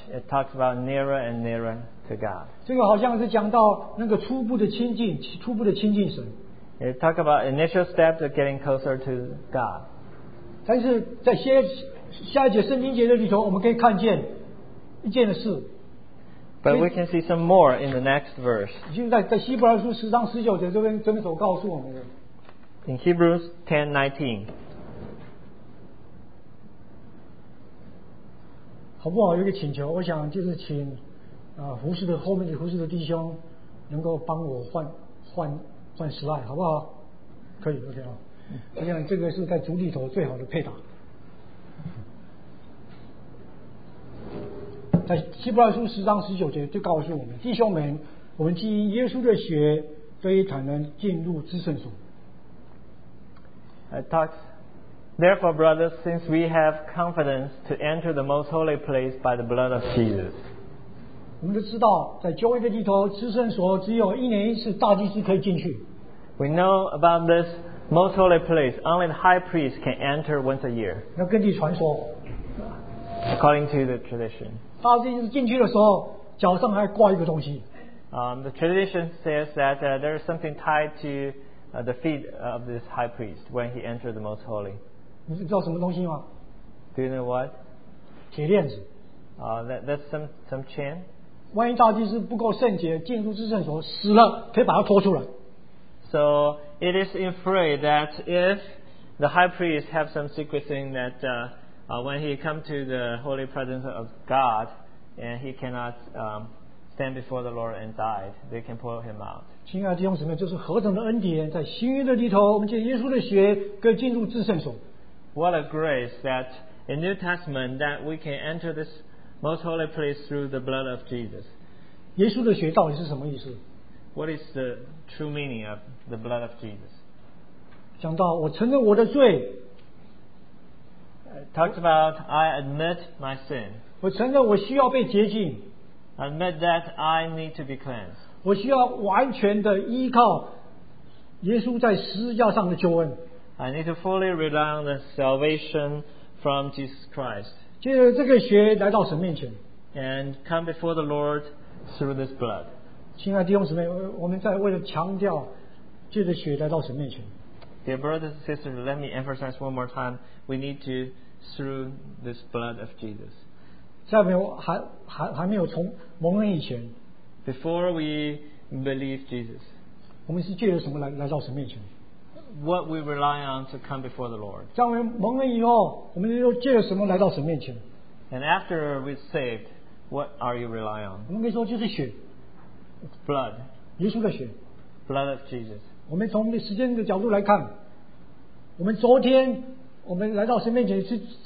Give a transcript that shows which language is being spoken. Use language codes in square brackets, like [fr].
[en] It talks about nearer and nearer to God. [zh] 这个好像是讲到那个初步的亲近，初步的亲近神。 [en] It talks about initial steps of getting closer to God. [zh] 但是在下一节圣经节的里头，我们可以看见一件的事。 [en] But we can see some more in the next verse. [zh] 已经在希伯来书十章十九节这边所告诉我们的。 [en] In Hebrews 10:19. [zh] 好不好？有一个请求，我想就是请服侍的后面的服侍的弟兄能够帮我换十赖，好不好？可以 ，OK 啊。我想这个是在主里头最好的配搭。在希伯来书十章十九节就告诉我们，弟兄们，我们基于耶稣的血可以坦然进入至圣所。 [en] Therefore, brothers, since we have confidence to enter the most holy place by the blood of Jesus. [zh] 我们都知道，在旧约的里头，至圣所只有一年一次大祭司可以进去。 [en] We know about this most holy place. Only the high priest can enter once a year. [zh] 那根据传说。 [en] According to the tradition. [zh] 大祭司进去的时候，脚上还挂一个东西。 [en] The tradition says that there is something tied to the feet of this high priest when he entered the most holy. [zh] 你知道什么东西吗？ [en] Do you know what? [zh] 铁链子。 [en] That's some chain. [zh] 万一大祭司不够圣洁，进入至圣所死了，可以把它拖出来。 [en] So it is inferred that if the high priest have some secret thing that when he come to the holy presence of God and he cannot stand before the Lord and died, they can pull him out. [zh] 亲爱的弟兄姊妹，这是何等的恩典，在新约的里头，我们借耶稣的血可以进入至圣所。 [en] What a grace that in New Testament that we can enter this most holy place through the blood of Jesus. [zh] 耶稣的血到底是什么意思？ [en] What is the true meaning of the blood of Jesus? [zh] 讲到我承认我的罪。 [en] Talks about I admit my sin. [zh] 我承认我需要被洁净。 [en] Admit that I need to be cleansed. [zh] 我需要完全的依靠耶稣在十字架上的救恩。 [en] I need to fully rely on the salvation from Jesus Christ. [zh] 借着这个血来到神面前。 [en] And come before the Lord through this blood. [zh] 亲爱的弟兄姊妹，我们在为了强调借着血来到神面前。 [en] Dear brothers and sisters, let me emphasize one more time. We need to through this blood of Jesus. [zh] 下面还没有从蒙恩以前。 [en] Before we believe Jesus. What we rely on to come before the Lord. And after we're saved, what are you relying on? It's blood. Blood of Jesus. [zh] 我们从时间的角度来看, 我们昨天, 我们来到神面前是,